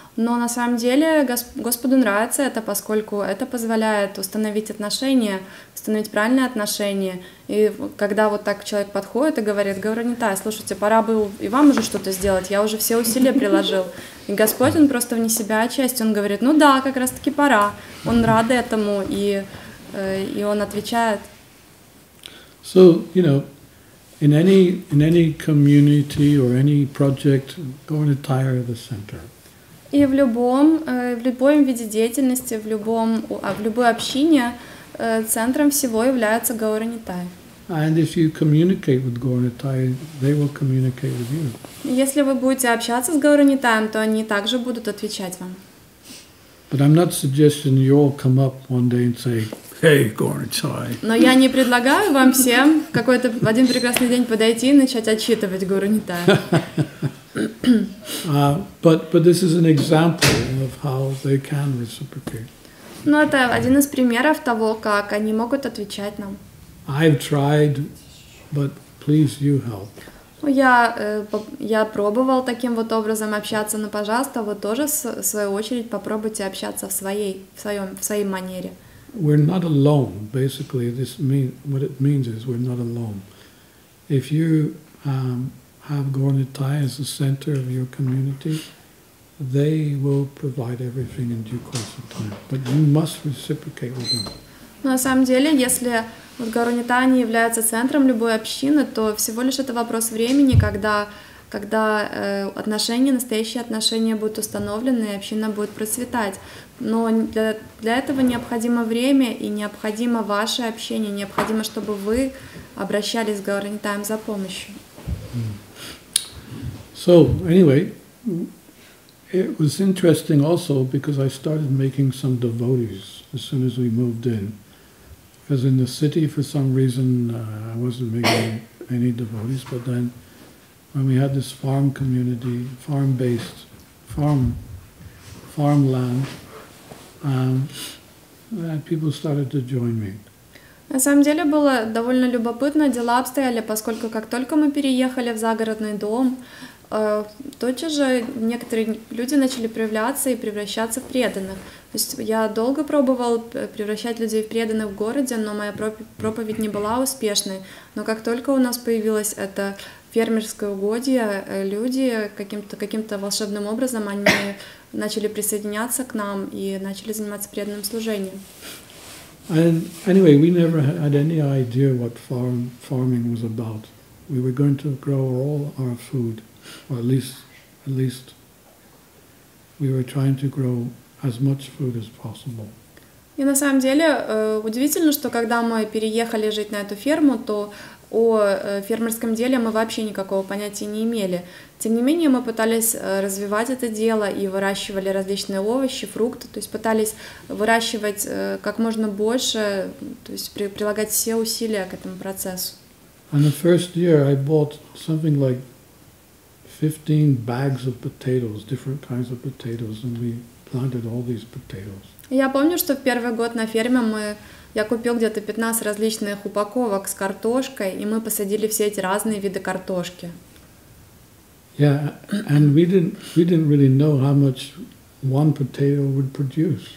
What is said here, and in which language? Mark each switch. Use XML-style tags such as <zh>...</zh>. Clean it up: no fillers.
<ru>Но на самом деле Господу нравится это, поскольку это позволяет установить отношения, установить правильные отношения. И когда вот так человек подходит и говорит, Горнитай, слушайте, пора бы и вам уже что-то сделать, я уже все усилия приложил. И Господь, он просто вне себя отчасти, он говорит, ну да, как раз таки пора. Он рад этому, и он отвечает.</ru> <en>So, you know, in any community or any project, Gornitai are the center.</en> <ru>И в любом виде деятельности, в любой общине центром всего является Горнитай.</ru> <en>And if you communicate with Gornitai, they will communicate with you.</en> <ru>Если вы будете общаться с Горнитаем, то они также будут отвечать вам.</ru> <en>But I'm not suggesting you all come up one day and say, hey, Gornitai.</en> <ru>Но я не предлагаю вам всем какой-то в один прекрасный день подойти и начать отчитывать Горнитая.</ru> <en>But this is an example of how they can reciprocate.</en> <ru>Но это один из примеров того, как они могут отвечать нам.</ru> <en>I've tried, but please you help.</en> <ru>Я пробовал таким вот образом общаться, но, пожалуйста, вы тоже в свою очередь попробуйте общаться в своей манере.</ru> <en>We're not alone. Basically, this means what it means is we're not alone. If you have Gornitai as the center of your community, they will provide everything in due course of time. But you must reciprocate with them.</en> <ru>На самом деле, если вот Гору Нетани является центром любой общины, то всего лишь это вопрос времени, когда отношения, настоящие отношения будут установлены, и община будет процветать. Но для этого необходимо время и необходимо ваше общение, необходимо, чтобы вы обращались к Гору Нетани за помощью.</ru> <en>So, anyway, it was interesting also because I started making some devotees as soon as we moved in. Because in the city, for some reason, I wasn't making any devotees. But then, when we had this farm community, farm-based, farmland, people started to join me.</en> <ru>На самом деле было довольно любопытно. Дела обстояли, поскольку как только мы переехали в загородный дом, тотчас же некоторые люди начали проявляться и превращаться в преданных. То есть я долго пробовал превращать людей в преданных в городе, но моя проповедь не была успешной. Но как только у нас появилось это фермерское угодье, люди каким-то волшебным образом они начали присоединяться к нам и начали заниматься преданным служением.</ru> <en>And anyway, we never had any idea what farming was about. We were going to grow all our food, or at least we were trying to grow as much food as possible.</en> <ru>И на самом деле удивительно, что когда мы переехали жить на эту ферму, то о фермерском деле мы вообще никакого понятия не имели. Тем не менее, мы пытались развивать это дело и выращивали различные овощи, фрукты, то есть пытались выращивать как можно больше, то есть прилагать все усилия к этому процессу.</ru> <en>And the first year I bought something like 15 bags of potatoes, different kinds of potatoes, and we planted all these potatoes.</en> <ru>Я помню, что в первый год на ферме я купил где-то 15 различных упаковок с картошкой, и мы посадили все эти разные виды картошки.</ru> <en>Yeah, and we didn't really know how much one potato would produce.</en>